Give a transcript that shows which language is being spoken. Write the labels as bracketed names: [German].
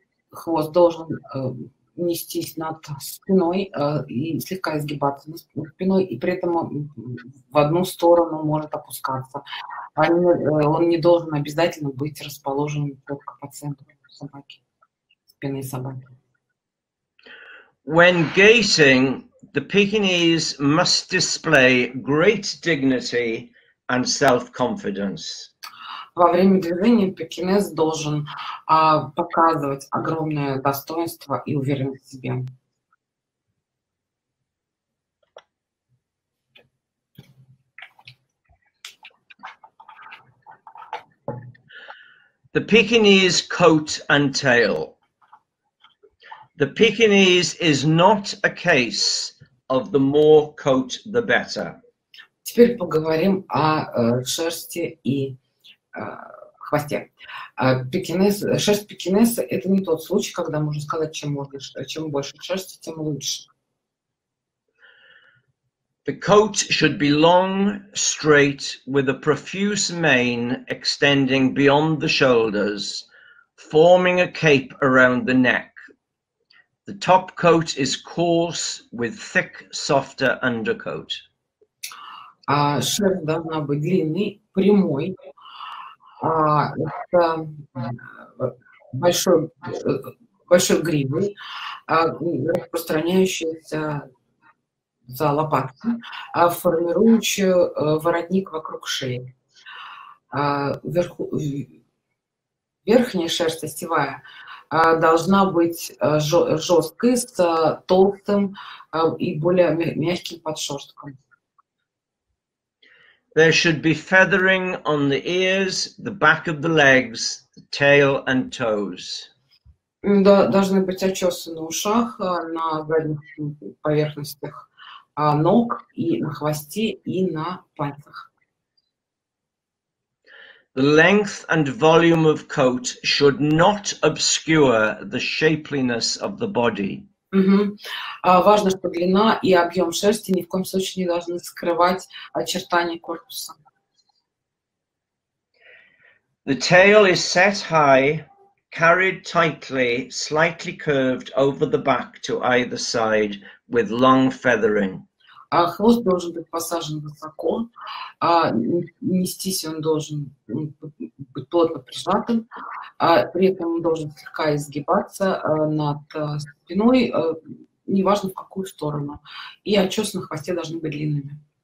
[Russian] Хвост должен нестись над спиной и слегка изгибаться над спиной, и при этом в одну сторону может опускаться. Он не должен обязательно быть расположен только по центру собаки, спины собаки. [English] When gating, the Pekingese must display great dignity and self-confidence. [Russian] Во время движения пекинес должен показывать огромное достоинство и уверенность в себе. [English] The Pekingese coat and tail. The Pekingese is not a case of the more coat the better. [Russian] Теперь поговорим о шерсти и хвосте. Шерсть пекинеса – это не тот случай, когда можно сказать, чем больше шерсти, тем лучше. [English] The coat should be long, straight, with a profuse mane extending beyond the shoulders, forming a cape around the neck. The top coat is coarse, with thick, softer undercoat. [Russian] Шерсть должна быть длинной, прямой. Это большой грибы, распространяющиеся за лопатки, формирующие воротник вокруг шеи. Верхняя шерсть, остевая, должна быть жесткой, с толстым и более мягким подшерстком. [English] There should be feathering on the ears, the back of the legs, the tail and toes. [Russian] Должны быть отчесы на ушах, на задних поверхностях ног, и на хвосте, и на пальцах. [English] The length and volume of coat should not obscure the shapeliness of the body. [Russian] Важно, что длина и объем шерсти ни в коем случае не должны скрывать очертания корпуса. [English] The tail is set high, carried tightly, slightly curved over the back to either side with long feathering. [Russian] Хвост должен быть посажен высоко, нестись он должен быть плотно прижатым, при этом он должен слегка изгибаться над спиной, неважно в какую сторону, и отчесы на хвосте должны быть длинными.